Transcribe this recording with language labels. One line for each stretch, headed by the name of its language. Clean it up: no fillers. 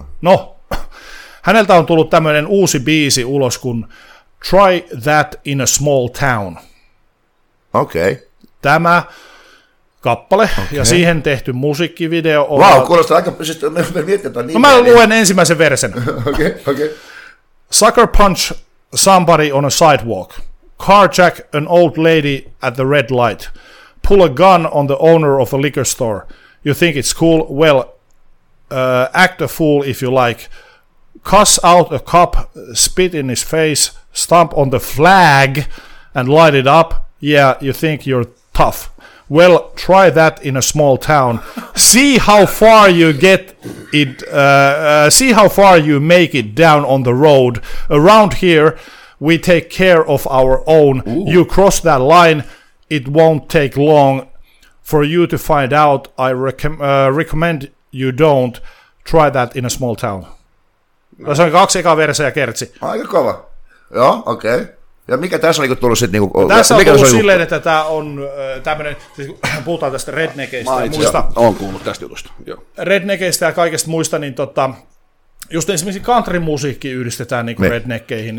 Finnish: No, häneltä on tullut tämmöinen uusi biisi ulos kuin Try That in a Small Town. Okei. Okay. Tämä kappale, okay. Ja siihen tehty musiikkivideo. Vau, wow, kuulostaa aika, siis me mietitään niin. No mä luen ensimmäisen versen.
English: Okay. Sucker punch somebody on a sidewalk. Carjack an old lady at the red light. Pull a gun on the owner of a liquor store. You think it's cool? Well, act a fool if you like. Cuss out a cop, spit in his face, stomp on the flag and light it up. Yeah, you think you're tough. Well, try that in a small town. See how far you get it. See how far you make it down on the road. Around here, we take care of our own. Ooh. You cross that line, it won't take long for you to find out. I recommend you don't try that in a small town.
Finnish: No. Tässä on kaksi ekaa versiä ja kertsi. Aika kova. Joo, okei. Okay. Ja mikä tässä on niin tullut sitten? Niin tässä on tullut silleen, että tämä on tämmöinen, siis puhutaan tästä rednekeistä ja muista. Olen kuullut tästä jutusta. Rednekeistä ja kaikesta muista, niin Just esimerkiksi country-musiikki yhdistetään niin kuin redneckeihin.